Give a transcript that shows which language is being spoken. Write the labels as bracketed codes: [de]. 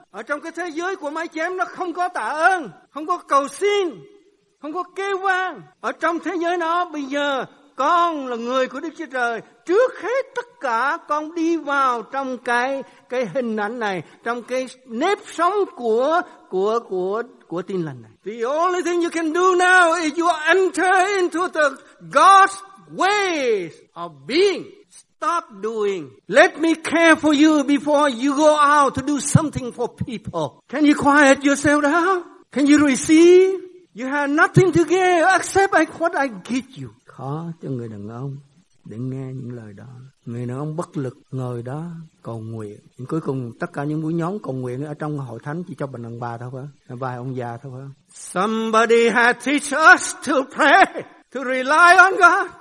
[vi] Ở trong cái thế giới của máy chém nó không có tạ ơn, không có cầu xin, không có kêu vang. Ở trong thế giới nó bây giờ, con là người của Đức Chúa Trời. Trước hết tất cả con đi vào trong cái hình ảnh này, trong cái nếp sống của tin lành này. [en] The only thing you can do now is you enter into the God's ways of being. Stop doing. Let me care for you before you go out to do something for people. Can you quiet yourself down? Can you receive? You have nothing to give except what I give you. [vi] Khó cho người đàn ông để nghe những lời đó. Người đàn ông bất lực ngồi đó cầu nguyện. Nhưng cuối cùng tất cả những buổi nhóm cầu nguyện ở trong hội thánh chỉ cho bình đàn bà thôi phải, vài ông già thôi phải. [en] Somebody had teach us to pray, to rely on God.